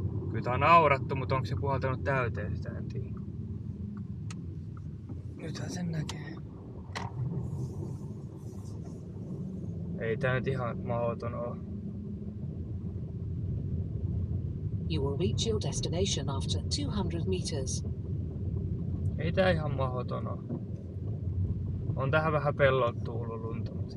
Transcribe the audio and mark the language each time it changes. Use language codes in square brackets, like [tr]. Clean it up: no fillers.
[fi] Kyllä tää on naurattu, mutta onko se puhaltanut täyteen, sitä en tiedä. Nythän sen näkee. Ei tää nyt ihan mahdoton oo. [en] You will reach your destination after 200 meters. [fi] Ei tää ihan mahdoton oo. On tähän vähän pellon tuullut lunta.